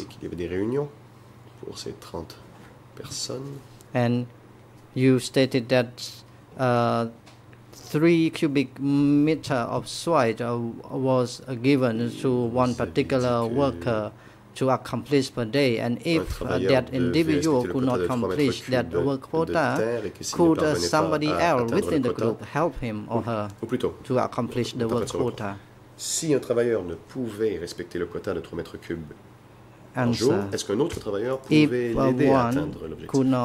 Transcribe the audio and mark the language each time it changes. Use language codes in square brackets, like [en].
[fr] Et qu'il y avait des réunions pour ces 30 personnes. [en] And you stated that 3 cubic meter of soil was given to one particular worker to accomplish per day, and if that individual could not accomplish that work quota, could somebody else within the group help him or her to accomplish the work quota? [fr] Si un travailleur ne pouvait respecter le quota de 3 mètres cubes par jour, est-ce qu'un autre travailleur pouvait l'aider à atteindre l'objectif?